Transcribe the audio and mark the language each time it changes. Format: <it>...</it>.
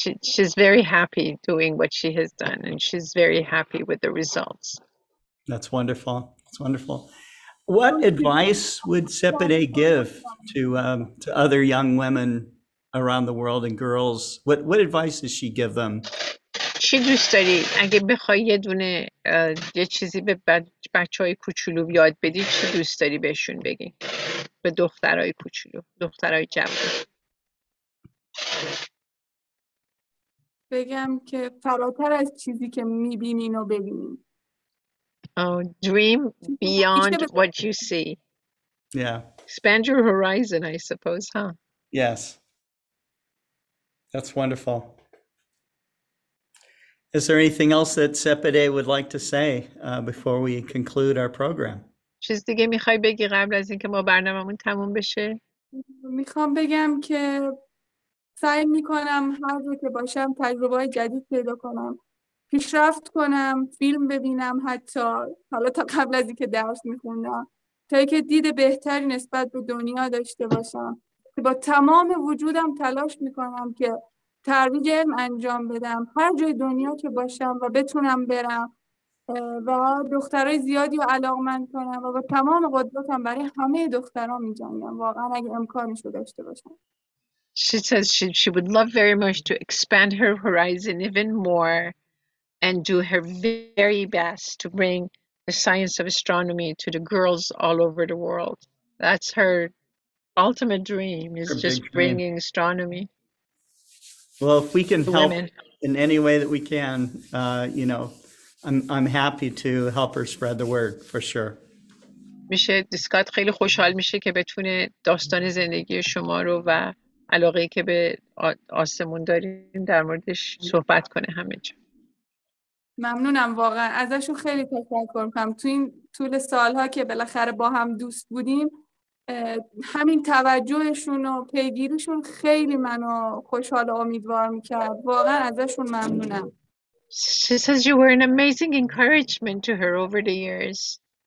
<en>She's very happy doing what she has done, and she's very happy with the results. That's wonderful. That's wonderful. What advice would Sepideh give to other young women around the world and girls? What advice does she give them?</en> <fa>چی دوست داری؟ اگه بخوای یه دونه یه چیزی به بچه‌های کوچولو یاد بدی، چی دوست داری بهشون بگی؟ به دخترای کوچولو، دخترای جوان. بگم که فراتر از چیزی که میبینین و ببینین.</fa> <en>Oh, dream beyond what you see. Yeah. Expand your horizon, I suppose, huh? Yes. That's wonderful. Is there anything else that Sepideh would like to say before we conclude our program?</en> <fa>چیز دیگه میخوای بگی قبل از اینکه ما برنامه‌مون تموم بشه؟ میخوام بگم که سعی میکنم هر جا که باشم تجربه‌های جدید پیدا کنم، پیشرفت کنم، فیلم ببینم، حتی حالا تا قبل از اینکه درس میخوندم، تا اینکه دید بهتری نسبت به دنیا داشته باشم، که با تمام وجودم تلاش میکنم که ترویج علم انجام بدم هر جای دنیا که باشم و بتونم برم و دخترای زیادی رو علاقمند کنم و با تمام قدرتم برای همه دخترها میجنگم واقعا اگه امکانش رو داشته باشم.</fa> <en>She says she would love very much to expand her horizon even more and do her very best to bring the science of astronomy to the girls all over the world. That's her ultimate dream, is her just bringing dream. Astronomy. Well, if we can help women. In any way that we can, you know, I'm happy to help her spread the word for sure.</en> <fa>میشه دیسکات خیلی خوشحال میشه که بتونه داستان زندگی شما رو و علاقه ای که به آسمون داریم در موردش صحبت کنه همه جا. ممنونم واقعا ازشون خیلی تشکر میکنم. تو این طول سالها که بالاخره با هم دوست بودیم همین توجهشون و پیگیریشون خیلی منو خوشحال و امیدوار میکرد. واقعا ازشون ممنونم.</fa> <en>She says you were an amazing encouragement to her over the years.</en>